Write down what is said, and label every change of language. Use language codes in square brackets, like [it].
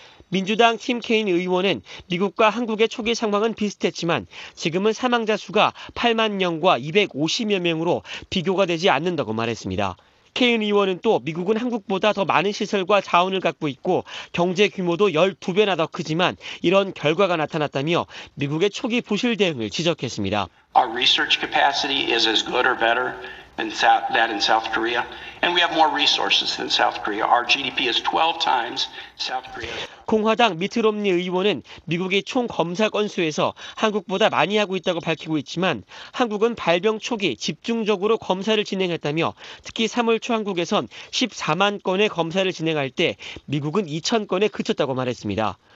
[ko] 민주당 팀 케인 의원은 미국과 한국의 초기 상황은 비슷했지만 지금은 사망자 수가 8만 명과 250여 명으로 비교가 되지 않는다고 말했습니다. 케인 의원은 또 미국은 한국보다 더 많은 시설과 자원을 갖고 있고 경제 규모도 12배나 더 크지만 이런 결과가 나타났다며 미국의 초기 부실 대응을 지적했습니다. [en] Our research capacity is as good or better than in South Korea. And we have more resources than South Korea. Our GDP is 12 times South Korea. [ko] 공화당 미트 롬니 의원은 미국의 총 검사 건수에서 한국보다 많이 하고 있다고 밝히고 있지만 한국은 발병 초기 집중적으로 검사를 진행했다며 특히 3월 초 한국에선 14만 건의 검사를 진행할 때 미국은 2천 건에 그쳤다고 말했습니다.